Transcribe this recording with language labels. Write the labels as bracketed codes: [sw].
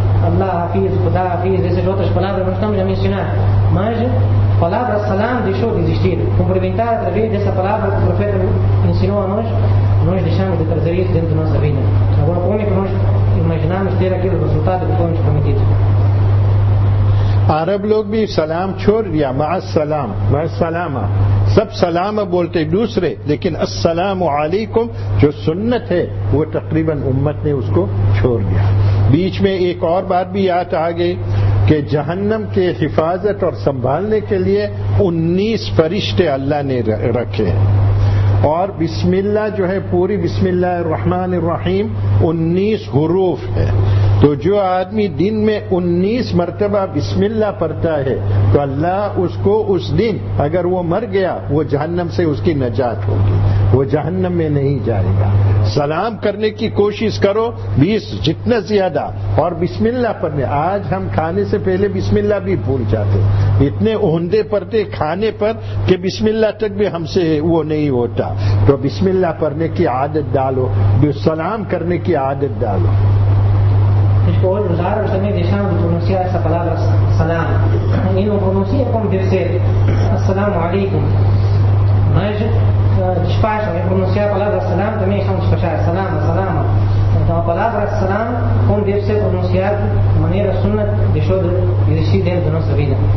[pt] Allah hafiz, Khuda hafiz, essas outras palavras não estamos a mencionar. Mas a palavra salam deixou de existir. Cumprimentar através dessa palavra que o profeta ensinou a nós, nós deixamos de trazer isso dentro da nossa vida. Agora, como é que nós imaginamos ter aquele resultado que fomos prometidos? [ur] عرب لوگ بھی سلام چھوڑ دیا مع السلام مع السلام سب سلام بولتے دوسرے لیکن السلام علیکم جو سنت ہے وہ تقریباً امت نے اس کو چھوڑ دیا. بیچ میں ایک اور بات بھی یاد آگئی کہ جہنم کے حفاظت اور سنبھالنے کے لیے 19 فرشتے اللہ نے رکھے ہیں اور بسم اللہ جو ہے پوری بسم اللہ الرحمن الرحیم 19 حروف ہے. تو جو آدمی دن میں 19 مرتبہ بسم اللہ پڑھتا ہے تو اللہ اس کو اس دن اگر وہ مر گیا وہ جہنم سے اس کی نجات ہوگی, وہ جہنم میں نہیں جائے گا. سلام کرنے کی کوشش کرو 20 جتنا زیادہ اور بسم اللہ پڑھنے. آج ہم کھانے سے پہلے بسم اللہ بھی بھول جاتے, اتنے عہدے پڑھتے کھانے پر کہ بسم اللہ تک بھی ہم سے وہ نہیں ہوتا. تو بسم اللہ پڑھنے کی عادت ڈالو, جو سلام کرنے کی عادت ڈالو. [pt] Hoje os árabes também deixaram de pronunciar essa palavra salam e não pronuncia como deve ser assalamu alaikum, mas despacham e pronunciar a palavra salam também estão a despachar salam, salam. Então a palavra salam como deve ser pronunciada de maneira sunna deixou de existir dentro da nossa vida.